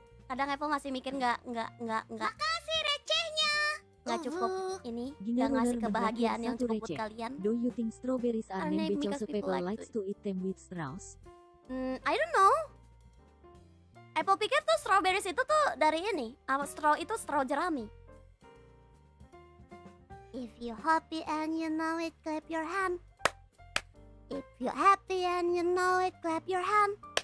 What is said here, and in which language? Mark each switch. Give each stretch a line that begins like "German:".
Indonesian: Kadang Apple masih mikir enggak. Makasih recehnya. Enggak cukup ini, enggak ngasih kebahagiaan yang cukup buat kalian.
English: Do you think strawberries are named because people like to eat them with straws? I don't know.
Indonesian: Apple pikir tuh strawberries itu tuh dari ini, straw itu straw jerami.
English: If you happy and you know it, clap your hand. If you happy and you know it, clap your hand.